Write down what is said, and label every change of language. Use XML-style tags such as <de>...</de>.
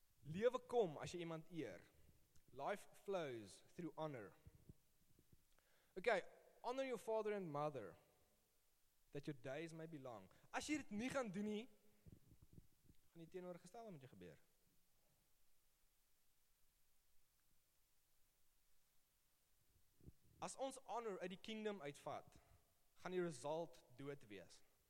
<af>Lewe kom as jy iemand eer.</af> <en>Life flows through honor. Okay, honor your father and mother, that your days may be long.</en> <af>As jy dit nie gaan doen nie, gaan die teenoorgestelde met jou gebeur. As ons honor uit die kingdom uitvat, gaan die result dood wees.</af>